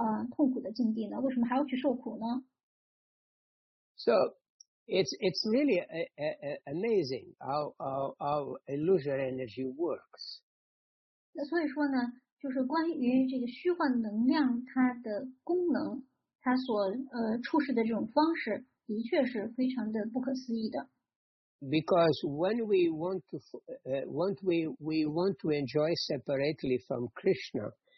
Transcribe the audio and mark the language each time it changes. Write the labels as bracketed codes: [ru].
[zh] 特别是那些出于善良心态、有宗教心的人，他就尤其理解不了了，因为他觉得自己做的不错呀，自己这么有宗教心，自己一直都在做好事儿，可是为什么还会被放置在如此痛苦的境地呢？为什么还要去受苦呢？ [en] So it's really amazing how illusory energy works. [zh] 那所以说呢，就是关于这个虚幻能量它的功能，它所处事的这种方式。 [en] Because when we want to enjoy separately from Krishna,